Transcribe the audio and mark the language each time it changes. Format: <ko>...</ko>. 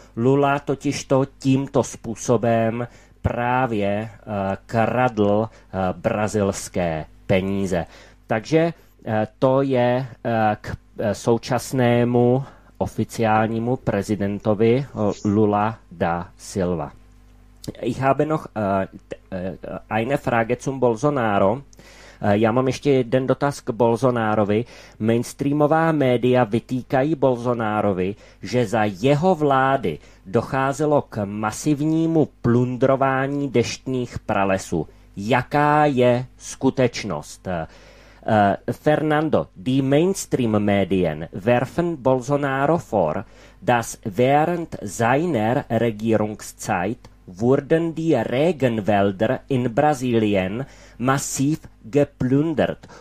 <cs>Lula totiž to tímto způsobem právě kradl brazilské peníze. Takže to je k současnému oficiálnímu prezidentovi Lula da Silva.</cs> <de>Ich habe noch eine Frage zum Bolsonaro.</de> <cs>Já mám ještě jeden dotaz k Bolsonárovi. Mainstreamová média vytýkají Bolsonárovi, že za jeho vlády docházelo k masivnímu plundrování deštných pralesů. jaká je skutečnost.</cs> <de>Fernando, die Mainstream-Medien werfen Bolsonaro vor, dass während seiner Regierungszeit wurden die Regenwälder in Brasilien massiv geplündert.</de>